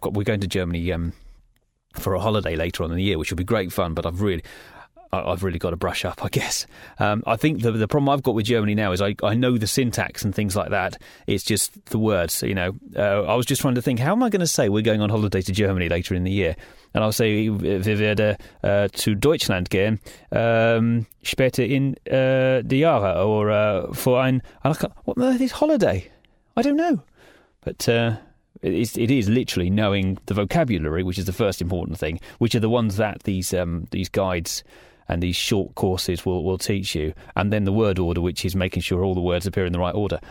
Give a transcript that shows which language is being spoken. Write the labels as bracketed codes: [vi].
[en] We're going to Germany for a holiday later on in the year, which will be great fun, but I've really got to brush up, I guess. I think the problem I've got with Germany now is I know the syntax and things like that. It's just the words, you know. I was just trying to think, how am I going to say we're going on holiday to Germany later in the year? And I'll say, [de] wir werde zu Deutschland gehen später in die Jahre, or für ein... [en] What on earth is holiday? I don't know. But it is literally knowing the vocabulary, which is the first important thing, which are the ones that these guides and these short courses will teach you, and then the word order, which is making sure all the words appear in the right order.